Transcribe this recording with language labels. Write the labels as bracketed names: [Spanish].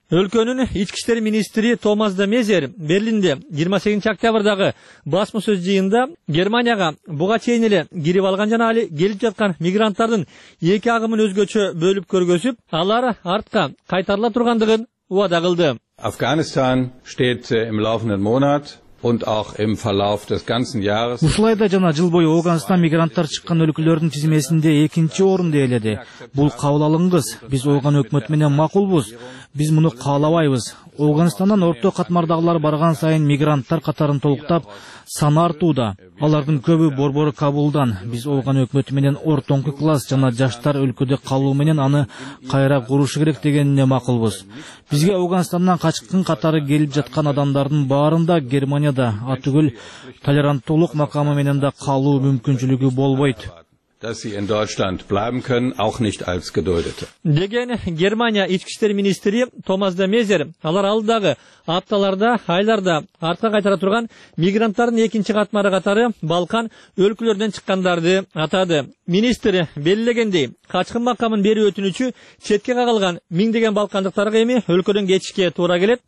[Kyrgyz] Өлкөнүн ички иштер министри Томас де Мезер Берлинде 28 октябрдагы басма сөз жыйында Германияга буга чейин эле кирип алган жана али келип жаткан мигранттардын эки агымын өзгөчө бөлүп көргөзүп, алар артка кайтарыла тургандыгын убада кылды. [German] Афганистан steht im laufenden Monat und auch im Verlauf des ganzen Jahres. [Kyrgyz] Ушлайда жана жыл бою Ооганстан мигранттар чыккан өлкөлөрдүн тизмесинде 2-нчи орунду ээледи. Бул кабыл алыңгыз. Биз Ооган өкмөт менен макулбуз. Биз муну каалабайбыз. Ооганстандан орто катмардагылар барган сайын мигранттар катарын толуктап, саны артууда. Алардын көбү борбору Кабулдан. Биз Ооган өкмөтү менен ортоңку класс жана жаштар өлкөдө калуу менен аны кайра курушу керек дегенине макулбуз. Бизге Ооганстандан качкын катары келип жаткан адамдардын баарында Германияда атүгүл толеранттуулук макамы менен да калуу мүмкүнчүлүгү болбойт. [German] Dass sie in Deutschland bleiben können, auch nicht als Geduldete. [Kyrgyz] Деген Германия ички иштер министри Томас де Мезер алар алдагы апталарда, айларда артка кайтара турган мигранттардын экинчи катмары катары Балкан өлкөлөрүнөн чыккандарды атады. Министр белгилегендей, качкын макамын берүү өтүнүчү четке кагылган миңдеген балкандыктарга эми өлкөдөн кетишке туура келет.